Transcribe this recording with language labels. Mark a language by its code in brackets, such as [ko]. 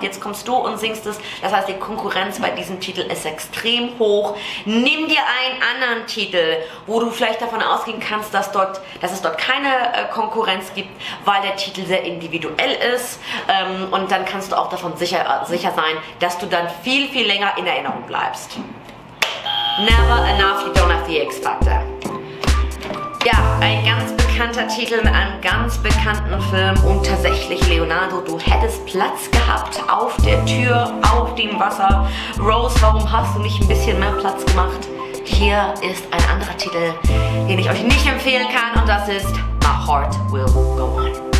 [de] Jetzt kommst du und singst es. Das heißt, die Konkurrenz bei diesem Titel ist extrem hoch. Nimm dir einen anderen Titel, wo du vielleicht davon ausgehen kannst, dass es dort keine Konkurrenz gibt, weil der Titel sehr individuell ist und dann kannst du auch davon sicher sein, dass du dann viel, viel länger in Erinnerung bleibst. [en] Never Enough, you don't have the X-Factor. [de] Ja, ein ganz bekannter Titel mit einem ganz bekannten Film und tatsächlich Leonardo, du hättest Platz gehabt auf der Tür, auf dem Wasser. Rose, warum hast du nicht ein bisschen mehr Platz gemacht? Hier ist ein anderer Titel, den ich euch nicht empfehlen kann, und das ist My Heart Will Go On.